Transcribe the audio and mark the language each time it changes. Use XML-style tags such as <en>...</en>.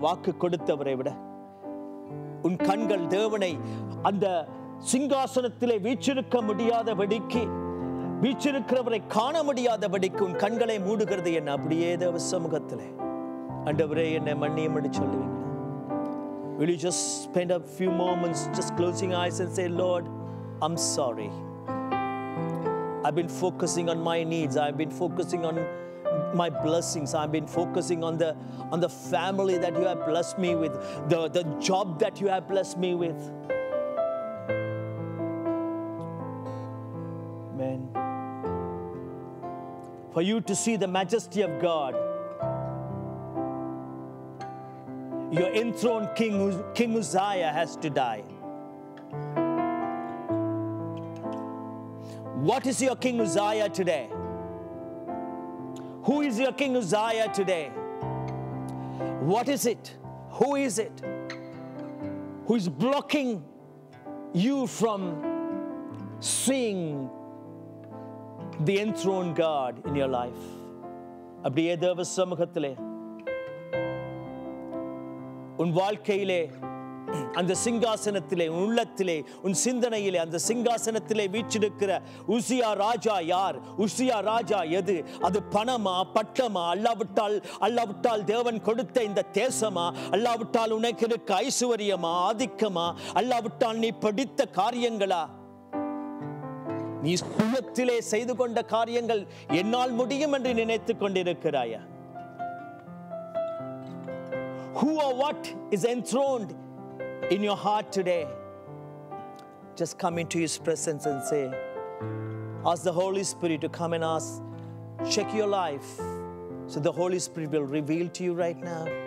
<ta>வாக்கு கொடுத்தவரை விட உன் கண்கள் தேவனை அந்த சிங்காசனத்திலே வீற்றிருக்க முடியாதபடிக்கு, வீற்றிருக்கிறவரை காண முடியாதபடிக்கு உன் கண்களை மூடுகிறது என்ன? அப்படியே தேவ சமூகத்திலே ஆண்டவரே என்னை மன்னியும் என்று சொல்லுவீங்களா?</ta> <en>Will you just spend a few moments just closing eyes and say, Lord, I'm sorry. I've been focusing on my needs. I've been focusing on my blessings. I've been focusing on the family that you have blessed me with, the job that you have blessed me with. Amen. For you to see the majesty of God, your enthroned king, King Uzziah, has to die. What is your King Uzziah today? Who is your King Uzziah today? What is it? Who is it? Who is blocking you from seeing the enthroned God in your life?</en> <ta>அப்படியே தேவ சமூகத்திலே உன் வாழ்க்கையிலே அந்த சிங்காசனத்திலே, உன் உள்ளத்திலே, உன் சிந்தனையிலே, அந்த சிங்காசனத்திலே வீற்றிருக்கிற உசியா ராஜா யார்? உசியா ராஜா எது? அது பணமா, பட்டமா? அல்லாவிட்டால் தேவன் கொடுத்த இந்த தேசமா? அல்லாவிட்டால் உனக்கு இருக்க ஐசுவரியமா, ஆதிக்கமா? அல்லாவிட்டால் நீ படித்த காரியங்களா? நீ சுயத்திலே செய்து கொண்ட காரியங்கள் என்னால் முடியும் என்று நினைத்துக் கொண்டிருக்கிறாயா?</ta> <en>Who or what is enthroned in your heart today? Just come into His presence and say, ask the Holy Spirit to come and ask, check your life, so the Holy Spirit will reveal to you right now.</en>